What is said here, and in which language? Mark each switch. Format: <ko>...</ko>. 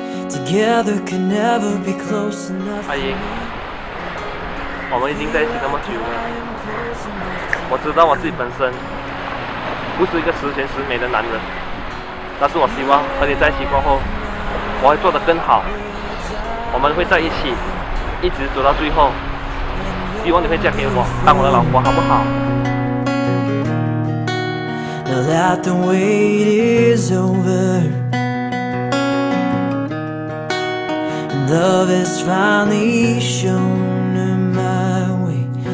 <en>Together can never be close enough.</en> <zh>阿姨，我们已经在一起那么久了，我知道我自己本身不是一个十全十美的男人，但是我希望和你在一起过后，我会做得更好。我们会在一起，一直走到最后。希望你会嫁给我，当我的老婆，好不好？</zh> <en>Now that the wait is over, love has finally shown my way.</en>